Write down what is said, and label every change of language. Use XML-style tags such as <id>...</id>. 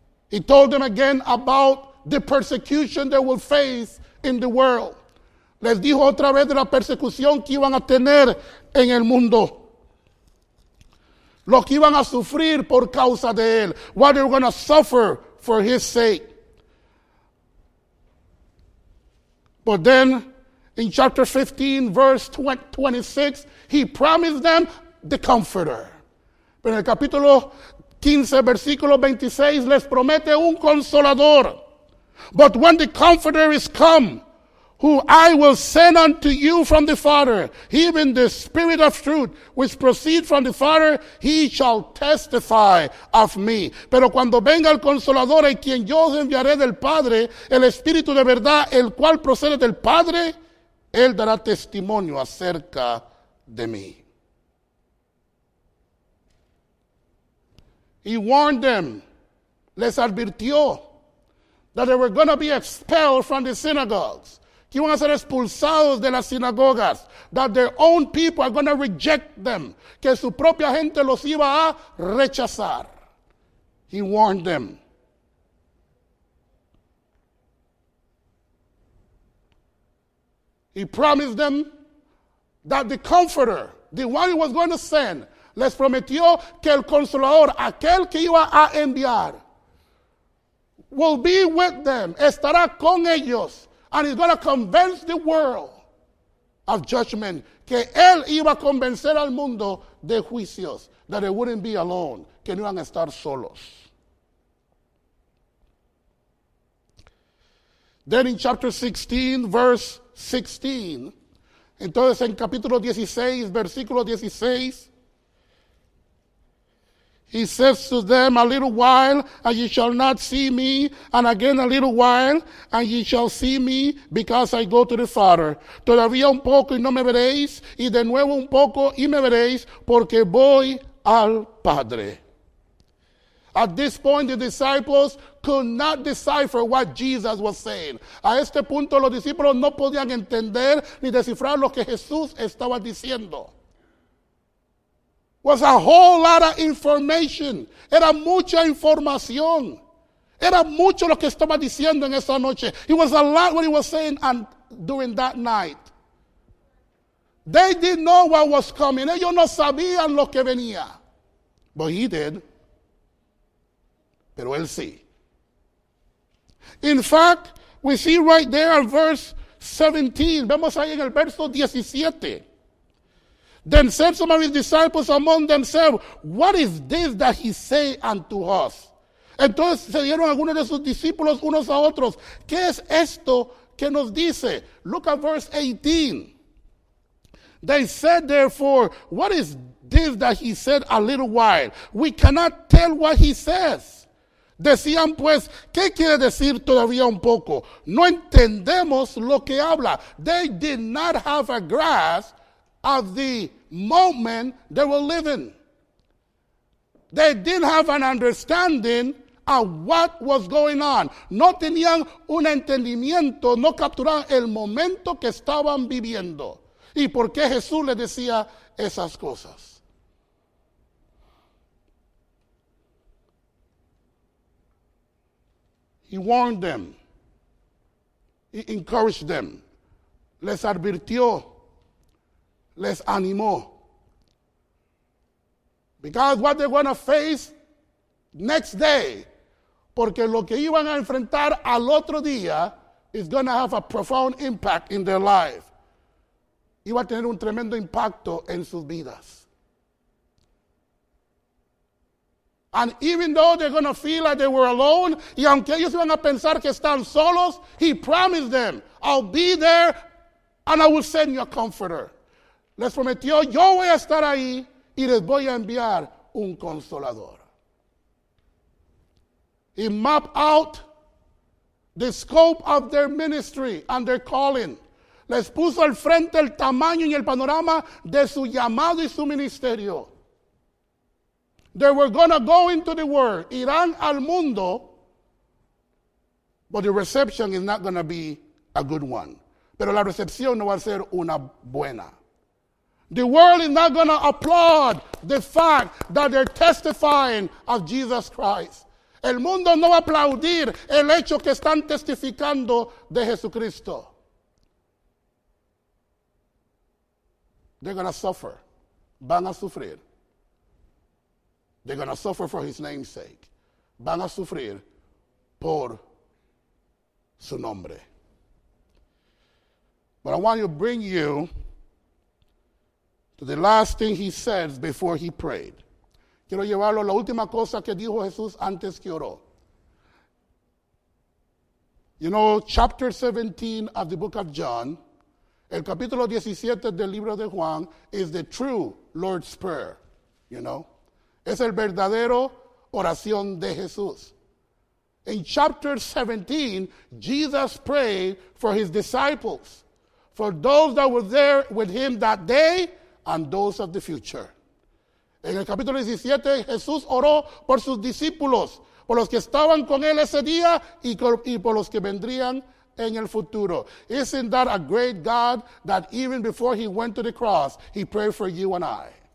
<en>He told them again about the persecution they will face in the world.</en> <es>Les dijo otra vez de la persecución que iban a tener en el mundo. Lo que iban a sufrir por causa de él.</es> <en>What they were going to suffer for his sake. But then in chapter 15, verse 26, he promised them the comforter.</en> <es>Pero en el capítulo 15, versículo 26, les promete un consolador.</es> <en>But when the comforter is come, who I will send unto you from the Father, even the Spirit of truth, which proceed from the Father, he shall testify of me.</en> <es>Pero cuando venga el Consolador, en quien yo os enviaré del Padre, el Espíritu de verdad, el cual procede del Padre, él dará testimonio acerca de mí.</es> <en>He warned them,</en> <es>les advirtió,</es> <en>that they were going to be expelled from the synagogues.</en> <es>Que iban a ser expulsados de las sinagogas.</es> <en>That their own people are going to reject them.</en> <es>Que su propia gente los iba a rechazar.</es> <en>He warned them. He promised them that the Comforter, the one he was going to send,</en> <es>les prometió que el Consolador, aquel que iba a enviar,</es> <en>will be with them,</en> <es>estará con ellos,</es> <en>and he's going to convince the world of judgment,</en> <es>que él iba a convencer al mundo de juicios,</es> <en>that they wouldn't be alone,</en> <es>que no iban a estar solos.</es> <en>Then in chapter 16, verse 16,</en> <es>entonces en capítulo 16, versículo 16,</es> <en>he says to them, a little while, and ye shall not see me, and again a little while, and ye shall see me, because I go to the Father.</en> <es>Todavía un poco y no me veréis, y de nuevo un poco y me veréis, porque voy al Padre.</es> <en>At this point, the disciples could not decipher what Jesus was saying.</en> <es>A este punto, los discípulos no podían entender ni descifrar lo que Jesús estaba diciendo.</es> <en>Was a whole lot of information.</en> <es>Era mucha información. Era mucho lo que estaba diciendo en esa noche.</es> <en>It was a lot what he was saying and during that night. They didn't know what was coming.</en> <es>Ellos no sabían lo que venía.</es> <en>But he did.</en> <es>Pero él sí.</es> <en>In fact, we see right there in verse 17.</en> <es>Vemos ahí en el verso 17.</es> <en>Then said some of his disciples among themselves, what is this that he say unto us?</en> <es>Entonces se dieron algunos de sus discípulos unos a otros. ¿Qué es esto que nos dice?</es> <en>Look at verse 18. They said therefore, what is this that he said a little while? We cannot tell what he says.</en> <es>Decían pues, ¿qué quiere decir todavía un poco? No entendemos lo que habla.</es> <en>They did not have a grasp of the moment they were living. They didn't have an understanding of what was going on.</en> <es>No tenían un entendimiento, no capturaban el momento que estaban viviendo. ¿Y por qué Jesús les decía esas cosas?</es> <en>He warned them. He encouraged them.</en> <es>Les advirtió. Les animó.</es> <en>Because what they're going to face next day,</en> <es>porque lo que iban a enfrentar al otro día</es> <en>is going to have a profound impact in their life.</en> <es>Iba a tener un tremendo impacto en sus vidas.</es> <en>And even though they're going to feel like they were alone,</en> <es>y aunque ellos iban a pensar que están solos,</es> <en>he promised them, I'll be there and I will send you a comforter.</en> <es>Les prometió, yo voy a estar ahí y les voy a enviar un consolador.</es> <en>He mapped out the scope of their ministry and their calling.</en> <es>Les puso al frente el tamaño y el panorama de su llamado y su ministerio.</es> <en>They were going to go into the world,</en> <es>irán al mundo,</es> <en>but the reception is not going to be a good one.</en> <es>Pero la recepción no va a ser una buena.</es> <en>The world is not going to applaud the fact that they're testifying of Jesus Christ.</en> <es>El mundo no va a aplaudir el hecho que están testificando de Jesucristo.</es> <en>They're going to suffer.</en> <es>Van a sufrir.</es> <en>They're going to suffer for his name's sake.</en> <es>Van a sufrir por su nombre.</es> <en>But I want to bring you the last thing he says before he prayed.</en> <es>Quiero llevarlo a la última cosa que dijo Jesús antes que oró.</es> <en>You know, chapter 17 of the book of John,</en> <es>el capítulo 17 del libro de Juan,</es> <en>is the true Lord's Prayer, you know.</en> <es>Es el verdadero oración de Jesús.</es> <en>In chapter 17, Jesus prayed for his disciples, for those that were there with him that day and those of the future.</en> <es>En el capítulo 17, Jesús oró por sus discípulos, por los que estaban con él ese día y por los que vendrían en el futuro.</es> <en>Isn't that a great God that even before he went to the cross, he prayed for you and I?</en>